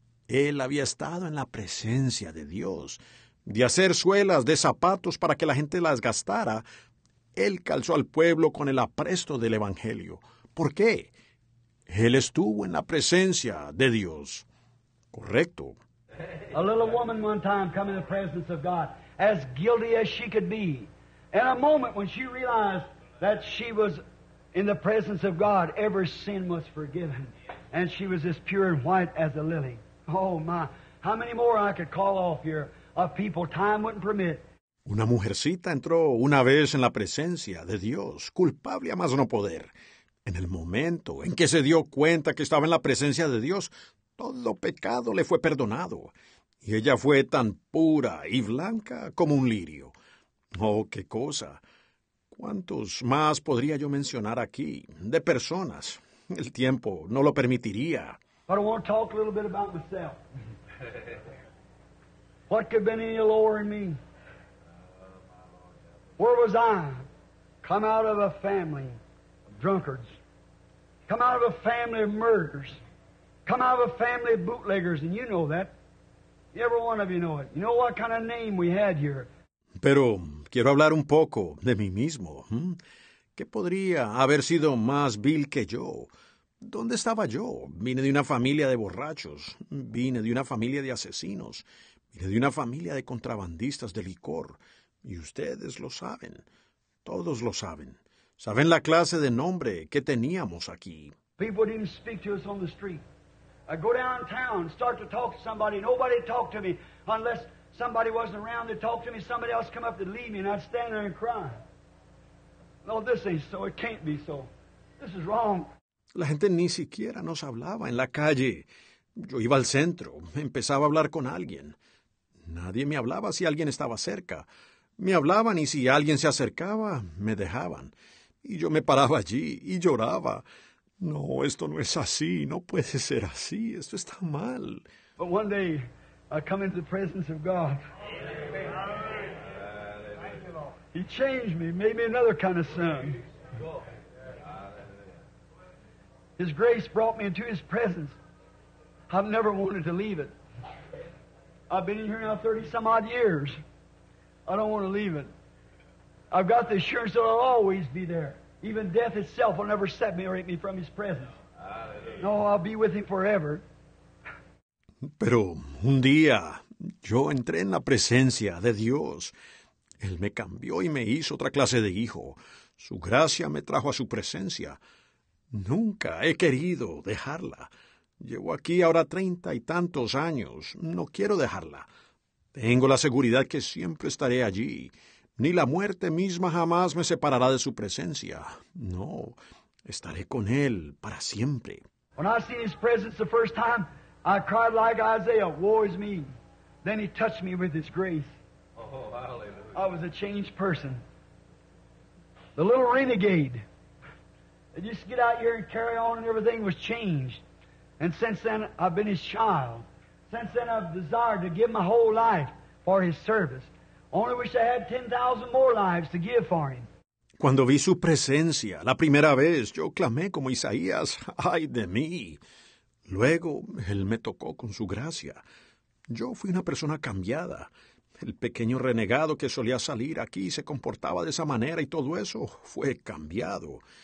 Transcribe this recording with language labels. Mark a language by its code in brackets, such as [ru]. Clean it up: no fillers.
[es] Él había estado en la presencia de Dios. De hacer suelas de zapatos para que la gente las gastara, él calzó al pueblo con el apresto del Evangelio. ¿Por qué? Él estuvo en la presencia de Dios. Correcto. [en] A little woman one time come in the presence of God, as guilty as she could be. In a moment when she realized that she was in the presence of God, every sin was forgiven. And she was as pure and white as a lily. Oh, my. How many more I could call off here? Of people, time wouldn't permit. [es] Una mujercita entró una vez en la presencia de Dios, culpable a más no poder. En el momento en que se dio cuenta que estaba en la presencia de Dios, todo pecado le fue perdonado. Y ella fue tan pura y blanca como un lirio. Oh, qué cosa. ¿Cuántos más podría yo mencionar aquí de personas? El tiempo no lo permitiría. [en] But I want to talk a little bit about myself. What could have been any lower in me? Where was I? Come out of a family of drunkards. Come out of a family of murderers. Come out of a family of bootleggers. And you know that. Every one of you know it. You know what kind of name we had here. [es] Pero quiero hablar un poco de mí mismo. ¿Qué podría haber sido más vil que yo? ¿Dónde estaba yo? Vine de una familia de borrachos. Vine de una familia de asesinos. Vine de una familia de contrabandistas de licor, y ustedes lo saben, todos lo saben. ¿Saben la clase de nombre que teníamos aquí? [en] People didn't speak to us on the street. I go downtown, start to talk to somebody. Nobody talked to me unless somebody wasn't around to talk to me. Somebody else come up to leave me, and I'd stand there and cry. No, this ain't so. It can't be so. This is wrong. [es] La gente ni siquiera nos hablaba en la calle. Yo iba al centro, empezaba a hablar con alguien. Nadie me hablaba si alguien estaba cerca. Me hablaban y si alguien se acercaba, me dejaban. Y yo me paraba allí y lloraba. No, esto no es así. No puede ser así. Esto está mal. [en] But one day, I come into the presence of God. He changed me, made me another kind of son. His grace brought me into His presence. I've never wanted to leave it. I've been in here now 30-some-odd years. I don't want to leave it. I've got the assurance that I'll always be there. Even death itself will never separate me from His presence. No, I'll be with Him forever. [es] Pero un día yo entré en la presencia de Dios. Él me cambió y me hizo otra clase de hijo. Su gracia me trajo a su presencia. Nunca he querido dejarla. Llevo aquí ahora 30 y tantos años. No quiero dejarla. Tengo la seguridad que siempre estaré allí. Ni la muerte misma jamás me separará de su presencia. No, estaré con Él para siempre. Cuando vi su presencia la primera vez, [en] I cried like Isaiah, woe is me. Then He touched me with His grace. Oh, hallelujah. I was a changed person. The little renegade that used to get out here and carry on and everything was changed. And since then, I've been His child. Since then, I've desired to give my whole life for His service. Only wish I had 10,000 more lives to give for Him. [es] Cuando vi su presencia la primera vez, yo clamé como Isaías, ay de mí. Luego, Él me tocó con su gracia. Yo fui una persona cambiada. El pequeño renegado que solía salir aquí y se comportaba de esa manera y todo eso fue cambiado.